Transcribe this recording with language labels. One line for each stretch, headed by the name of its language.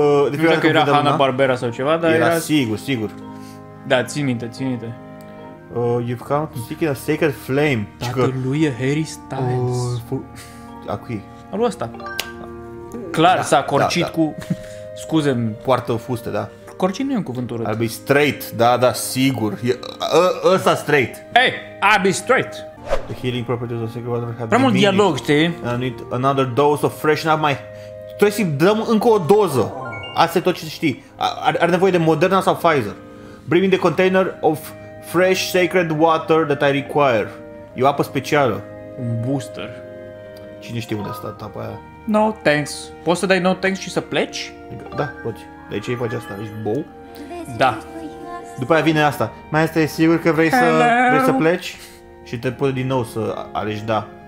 Romanian: De nu știu că era Hanna-Barbera sau ceva, dar era... Era sigur, sigur. Da, țin minte, țin minte.
English: You've come to speak in a sacred flame.
Romanian: Tatălui că... e Harry Styles. A cui? A luat asta. Clar, da, s-a corcit da, da. Cu... Scuze. Poartă fuste, da. Corcit nu e un cuvânt urât.
English: I'll be straight,
Romanian: da, da, sigur. Ăsta straight.
English: Hey, I'll be straight. The healing properties of sacred water have
Romanian: prea mult dialog, știi?
English: I need another dose of freshen up my...
Romanian: Trebuie să-i dăm încă o doză. Asta e tot ce știi. Are nevoie de Moderna sau Pfizer.
English: Bring me the container of fresh sacred water that I require.
Romanian: E o apă specială. Un booster. Cine știe unde a stat apa aia?
English: No thanks.
Romanian: Poți să dai
English: no thanks
Romanian: și să pleci? Da, poți. De ce îi faci asta? Ești bou? Da. După aia vine asta. Mai este sigur că vrei să, vrei să pleci? Și te poți din nou să alegi da.